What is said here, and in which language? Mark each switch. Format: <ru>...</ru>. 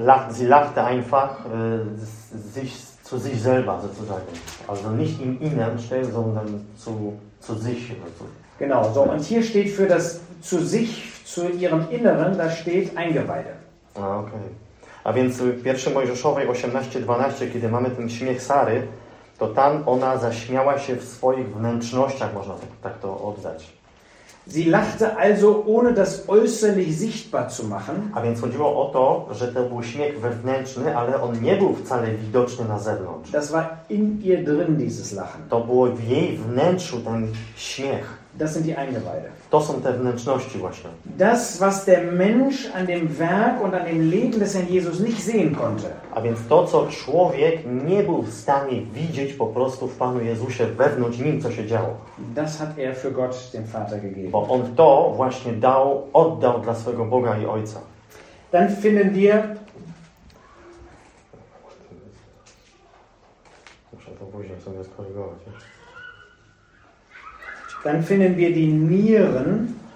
<de>Sie lachte einfach sich zu sich selber sozusagen. Also nicht im Innern stellen, sondern zu sich. Genau, so. Und hier steht für das zu sich, zu ihrem Inneren, da steht Eingeweide.</de> <pl>A, okay. A więc w 1. Mojżeszowej 18:12, kiedy mamy ten śmiech Sary, to tam ona zaśmiała się w swoich wnętrznościach, można tak to oddać.</pl> <de>Sie lachte also, ohne das äußerlich sichtbar zu machen.</de> <pl>A więc chodziło o to, że to był śmiech wewnętrzny, ale on nie był wcale widoczny na zewnątrz.</pl> <de>Das war in ihr drin, dieses Lachen.</de> <pl>To było w jej wnętrzu ten śmiech.</pl> <de>Das sind die Eingeweide.</de> <pl>To są te wnętrzności właśnie.</pl> <de>Das, was der Mensch an dem Werk und an dem Leben des Herrn Jesus nicht sehen konnte.</de> <pl>A więc to, co człowiek nie był w stanie widzieć po prostu w Panu Jezusie wewnątrz nim, co się działo.</pl> <de>Das hat er für Gott, dem Vater, gegeben.</de> <pl>Bo on to właśnie dał, oddał dla swojego Boga i Ojca.</pl> <de>Dann finden wir...</de> <pl>Muszę to później sobie skorygować.</pl> <de>Dann finden wir die Nieren.</de>